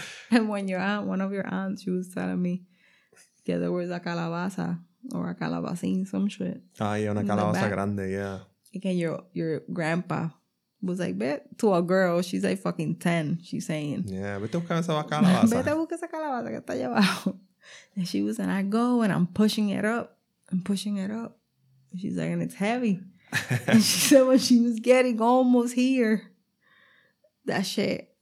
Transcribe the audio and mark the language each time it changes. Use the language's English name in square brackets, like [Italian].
[English] And when your aunt, one of your aunts, she was telling me, yeah, there was a calabaza or a calabacín, some shit. [Spanish] Ah, yeah, una calabaza grande, [English] yeah. And your grandpa was like, bet to a girl, she's like fucking 10, she's saying. Yeah, [Spanish] vete a buscar esa calabaza. Vete a buscar esa calabaza que está allá abajo. [English] And she was, and I go, and I'm pushing it up. I'm pushing it up. She's like, and it's heavy. And she said when she was getting almost here, that shit